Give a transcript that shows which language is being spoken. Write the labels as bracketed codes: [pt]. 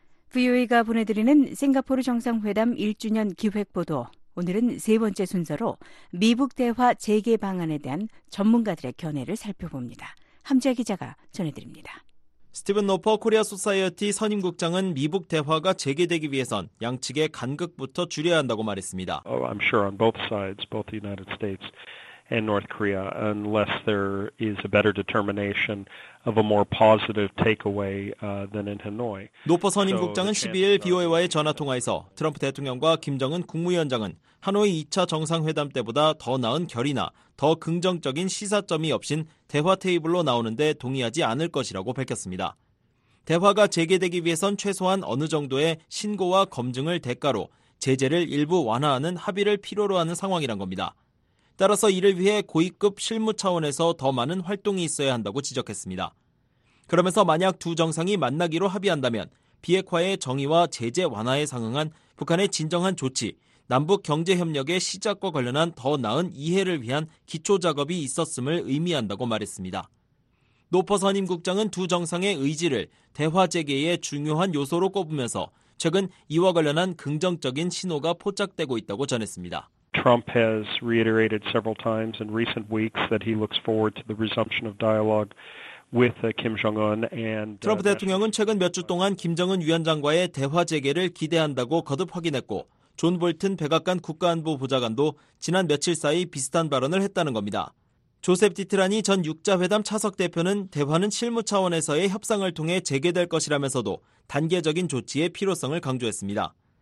[ko] VOA가 보내드리는 싱가포르 정상회담 1주년 기획 보도, 오늘은 세 번째 순서로 미북 대화 재개 방안에 대한 전문가들의 견해를 살펴봅니다. 함재 기자가 전해드립니다. 스티븐 노퍼 코리아 소사이어티 선임 국장은 미북 대화가 재개되기 위해선 양측의 간극부터 줄여야 한다고 말했습니다. [en] Oh, I'm sure on both sides, both the United States and North Korea, unless there is a better determination of a more positive takeaway than in Hanoi. [ko] 노퍼 선임 국장은 12일 BOA와의 전화 통화에서 트럼프 대통령과 김정은 국무위원장은 하노이 2차 정상회담 때보다 더 나은 결의나 더 긍정적인 시사점이 없인 대화 테이블로 나오는데 동의하지 않을 것이라고 밝혔습니다. 대화가 재개되기 위해선 최소한 어느 정도의 신고와 검증을 대가로 제재를 일부 완화하는 합의를 필요로 하는 상황이란 겁니다. 따라서 이를 위해 고위급 실무 차원에서 더 많은 활동이 있어야 한다고 지적했습니다. 그러면서 만약 두 정상이 만나기로 합의한다면 비핵화의 정의와 제재 완화에 상응한 북한의 진정한 조치, 남북 경제 협력의 시작과 관련한 더 나은 이해를 위한 기초 작업이 있었음을 의미한다고 말했습니다. 노퍼 선임 국장은 두 정상의 의지를 대화 재개의 중요한 요소로 꼽으면서 최근 이와 관련한 긍정적인 신호가 포착되고 있다고 전했습니다. [en] Trump has reiterated several times in recent weeks that he looks forward to the resumption of dialogue with Kim Jong-un and [ko] 트럼프 대통령은 최근 몇 주 동안 김정은 위원장과의 대화 재개를 기대한다고 거듭 확인했고 존 볼튼 백악관 국가안보 보좌관도 지난 며칠 사이 비슷한 발언을 했다는 겁니다. 조셉 디트라니 전 6자회담 차석 대표는 대화는 실무 차원에서의 협상을 통해 재개될 것이라면서도 단계적인 조치의 필요성을 강조했습니다.